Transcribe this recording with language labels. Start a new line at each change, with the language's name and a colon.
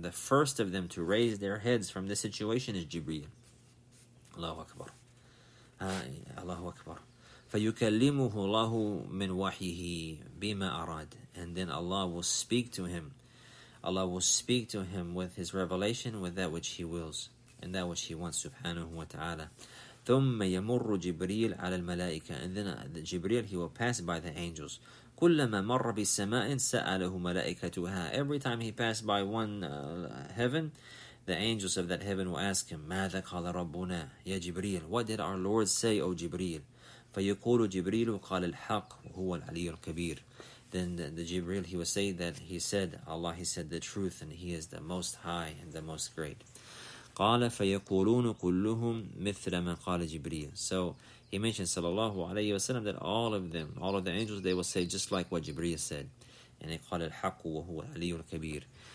English: The first of them to raise their heads from this situation is Jibril. Allahu akbar. Allahu akbar.
Arabic: Fayukallimuhu Allahu min wahyihi bima arad.
English: And then Allah will speak to him. Allah will speak to him with his revelation, with that which he wills and that which he wants subhanahu wa ta'ala.
Arabic: ثم يمر جبريل على الملائكة.
English: And then Jibril, he will pass by the angels.
Arabic: كلما مر بالسماء سأله ملائكتها.
English: Every time he passed by one heaven, the angels of that heaven will ask him,
Arabic: ماذا قال ربنا يا جبريل.
English: What did our Lord say, O Jibril?
Arabic: فيقول جبريل قال الحق هو العلي الكبير.
English: Then the Jibril, he will say that he said, Allah, he said the truth, and he is the most high and the most great.
Arabic: قال فيقولون كلهم مثل ما قال جبريل.
English: So he mentioned sallallahu alayhi wa sallam that all of the angels, they will say just like what Jibreel said. And he
Arabic: قال الحق وهو العلي الكبير.